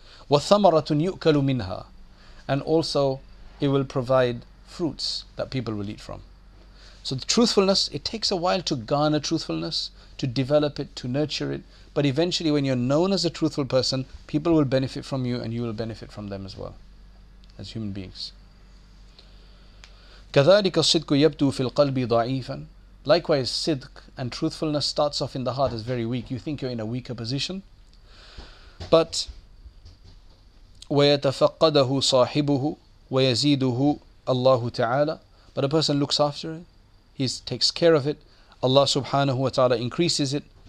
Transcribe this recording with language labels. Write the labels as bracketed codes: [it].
[ar] وثمرة يؤكل منها, [en] and also it will provide fruits that people will eat from. So the truthfulness, it takes a while to garner truthfulness, to develop it, to nurture it, but eventually when you're known as a truthful person, people will benefit from you and you will benefit from them as well, as human beings. [ar] كذلك الصدق يبدو في القلب ضعيفا. [en] Likewise, sidq and truthfulness starts off in the heart as very weak. You think you're in a weaker position. But [ar] وَيَتَفَقَّدَهُ صَاحِبُهُ وَيَزِيدُهُ اللَّهُ تَعَالَى. [en] But a person looks after it, he takes care of it, Allah subhanahu wa ta'ala increases it.